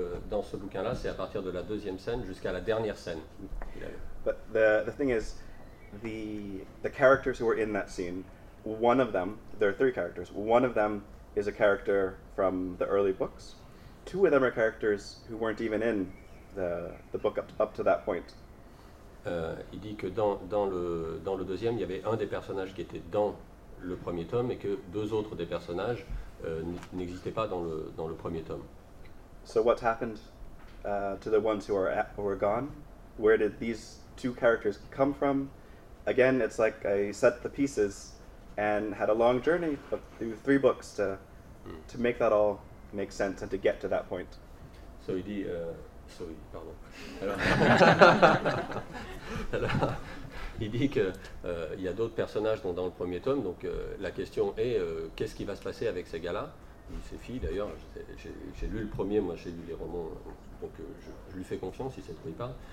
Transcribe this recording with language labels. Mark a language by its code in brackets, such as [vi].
[fr] Dans ce bouquin-là, c'est à partir de la deuxième scène jusqu'à la dernière scène. [en] But the thing is, The characters who are in that scene, one of them, there are three characters, one of them is a character from the early books, two of them are characters who weren't even in the book up to that point. [fr] Il dit que dans le deuxième, il y avait un des personnages qui était dans le premier tome et que deux autres des personnages n'existaient pas dans le premier tome. [en] So what happened to the ones who are gone? Where did these two characters come from? Again, it's like I set the pieces and had a long journey through three books to make that all make sense and to get to that point. [fr] So il dit, pardon. Alors, il dit que il y a d'autres personnages dans le premier tome. Donc la question est, qu'est-ce qui va se passer avec ces gars-là, ces filles d'ailleurs. J'ai lu le premier, moi j'ai lu les romans. Donc je lui fais confiance, il sait de quoi il parle.